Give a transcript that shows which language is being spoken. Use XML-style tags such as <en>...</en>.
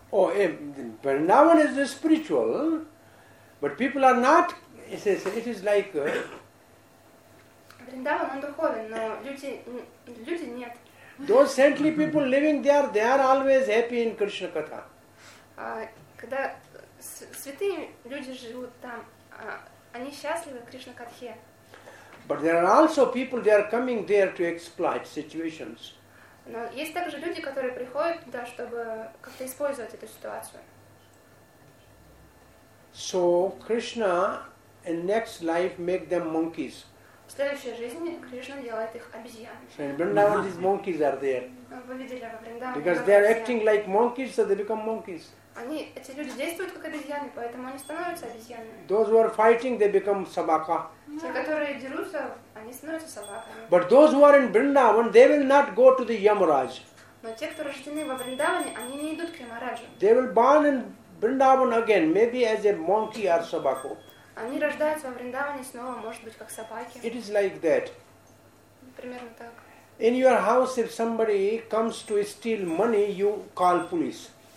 <en>Oh, Vrindavan is spiritual, but people are not, it is like...</en> <ru>Vrindavan, он духовен, но люди нет.</ru> <en>Those saintly people living there, they are always happy in Krishna Katha.</en> <ru>Когда святые люди живут там, они счастливы в Кришна Катхе.</ru> <en>But there are also people, they are coming there to exploit situations.</en> <ru>Но есть также люди, которые приходят туда, чтобы как-то использовать эту ситуацию.</ru> <en>So, Krishna in next life make them monkeys.</en> <ru>В следующей жизни Кришна делает их обезьянами.</ru> <en>So, in Vrindavan, these monkeys are there.</en> <ru>Вы видели, во Vrindavan.</ru> <en>Because they are acting like monkeys, so they become monkeys.</en> <ru>Они, эти люди действуют как обезьяны, поэтому они становятся обезьянами.</ru> <en>Those who are fighting, they become собака.</en> <ru>Те, которые дерутся, они становятся собаками.</ru> <en>But those who are in Vrindavan, they will not go to the Yamaraj.</en> <ru>Но те, кто рождены во Вриндаване, они не идут к Ямараджу.</ru> <en>They will born in Vrindavan again, maybe as a monkey or собаку.</en> <ru>Они рождаются во Вриндаване снова, может быть, как собаки.</ru> <en>It is like that.</en> <ru>Примерно так.</ru> <en>In your house, if somebody comes to steal money, you call police.</en>